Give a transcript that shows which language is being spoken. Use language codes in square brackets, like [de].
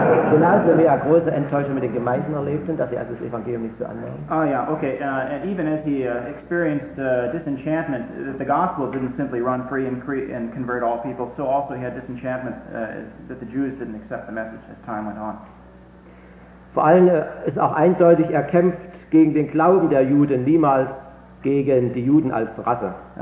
[de] Genauso wie er große Enttäuschung mit den Gemeinden erlebte, dass sie also das Evangelium nicht so annahmen. [en] Even as he experienced disenchantment, that the gospel didn't simply run free and convert all people, so also he had disenchantment that the Jews didn't accept the message as time went on. [de] Vor allem ist auch eindeutig, er kämpft gegen den Glauben der Juden, niemals gegen die Juden als Rasse.